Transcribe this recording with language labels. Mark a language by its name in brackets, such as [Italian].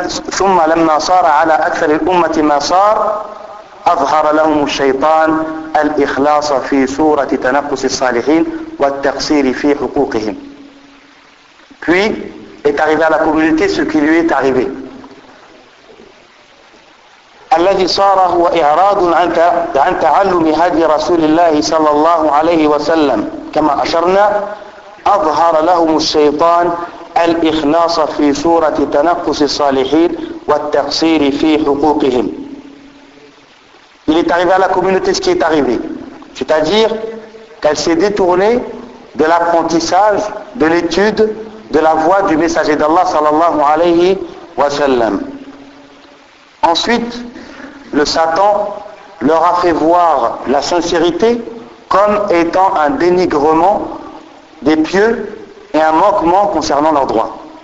[Arabic] ثم لما صار على أكثر الأمة ما صار أظهر لهم الشيطان الإخلاص في سورة تنقص الصالحين والتقصير في حقوقهم. [French] Puis est arrivé à la communauté ce qui lui est arrivé. [Arabic] الذي صار هو إعراض عن تعلم هدي رسول الله صلى الله عليه وسلم كما أشرنا. أظهر لهم الشيطان الإخلاص في سورة تنقص الصالحين والتقصير في حقوقهم. [French] Il est arrivé à la communauté ce qui est arrivé. C'est-à-dire qu'elle s'est détournée de l'apprentissage, de l'étude, de la voie du messager d'Allah sallallahu alayhi wa sallam. Ensuite, le Satan leur a fait voir la sincérité comme étant un dénigrement des pieux et un manquement concernant leurs droits.